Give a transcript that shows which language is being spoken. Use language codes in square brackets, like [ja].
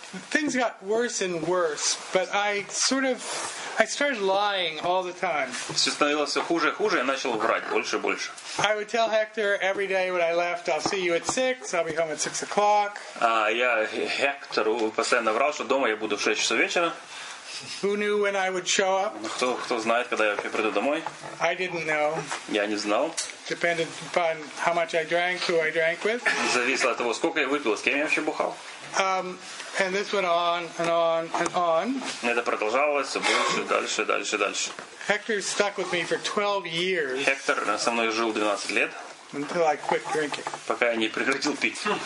[en] Things got worse and worse, but I started lying all the time. [ru] Все становилось все хуже и хуже, я начал врать больше и больше. [en] I would tell Hector every day when I left, I'll see you at 6, I'll be home at 6 o'clock. [ru] Я Гектору постоянно врал, что дома я буду в 6 часов вечера. [en] Who knew when I would show up? [ru] Кто знает, когда я вообще приду домой? [en] I didn't know. [ru] Я не знал. [en] Depended upon how much I drank, who I drank with. [ru] Зависело от того, сколько я выпил, с кем я вообще бухал. [en] And this went on and on and on. [ru] Это продолжалось все больше, дальше, дальше, дальше. [en] Hector stuck with me for 12 years. [ru] Хектор со мной жил 12 лет. [en] Until I quit drinking. [ru] Пока я не прекратил пить.